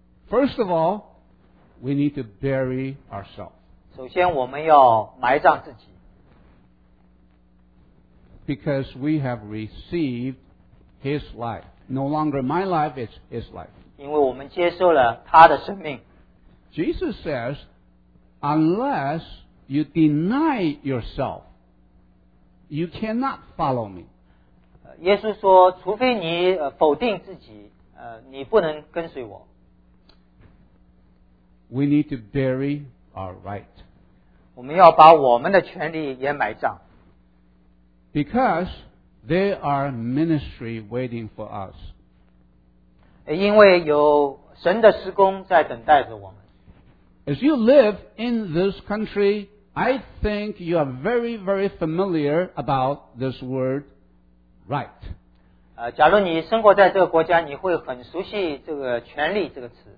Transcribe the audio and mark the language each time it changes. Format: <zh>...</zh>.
<en>First of all, we need to bury ourselves.</en> <zh>首先我们要埋葬自己。</zh> <en>Because we have received his life. No longer my life, it's his life.</en> <zh>因为我们接受了他的生命。</zh> <en>Jesus says, unless you deny yourself, you cannot follow me.</en> <zh>耶稣说除非你否定自己你不能跟随我。</zh> <en>We need to bury our right.</en> <zh>我们要把我们的权利也埋葬。</zh> <en>Because there are ministry waiting for us.</en> <zh>因为有神的施工在等待着我们。</zh> <en>As you live in this country, I think you are very, very familiar about this word right.</en> <zh>假如你生活在这个国家，你会很熟悉这个权利这个词。</zh>